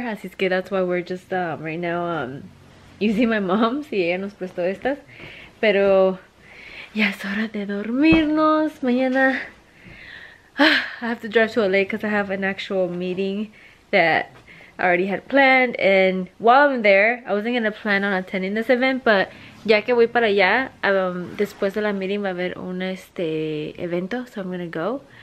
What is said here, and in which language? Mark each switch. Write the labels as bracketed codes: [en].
[es] Así es que [en] that's why we're just right now. Using my mom, [es] sí, ella nos prestó estas. Pero ya es hora de dormirnos. [en] Mañana I have to drive to LA because I have an actual meeting that I already had planned, and while I'm there, I wasn't gonna plan on attending this event, but [es] ya que voy para allá, después de la meeting va a haber un evento, [en] so I'm gonna go.